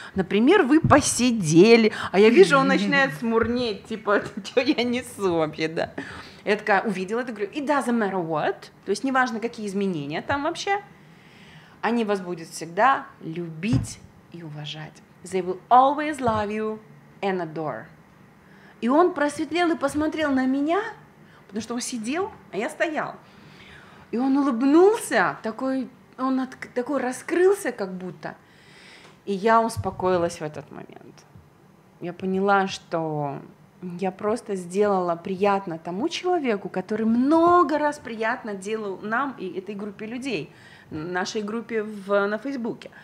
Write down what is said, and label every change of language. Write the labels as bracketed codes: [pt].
[ru] Например, вы посидели, а я вижу, он начинает смурнеть, типа, что я несу вообще, да. Я такая увидела это, говорю, [en] it doesn't matter what, [ru] то есть неважно, какие изменения там вообще, они вас будут всегда любить и уважать. [en] They will always love you and adore. [ru] И он просветлел и посмотрел на меня, потому что он сидел, а я стоял. И он улыбнулся, такой, он такой раскрылся, как будто. И я успокоилась в этот момент. Я поняла, что я просто сделала приятно тому человеку, который много раз приятно делал нам и этой группе людей, нашей группе на Фейсбуке.